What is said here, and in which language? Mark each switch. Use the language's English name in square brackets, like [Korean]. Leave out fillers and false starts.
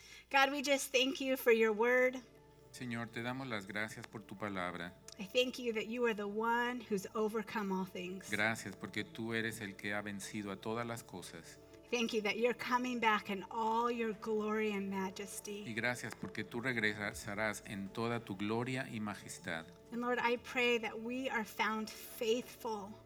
[English] God, we just thank you for your word. [Spanish] Señor, te damos las gracias por tu palabra. [English] I thank you that you are the one who's overcome all things. [Spanish] Gracias porque tú eres el que ha vencido a todas las cosas. [English] Thank you that you're coming back in all your glory and majesty. [Spanish] Y gracias porque tú regresarás en toda tu gloria y majestad. [English] And Lord, I pray that we are found faithful.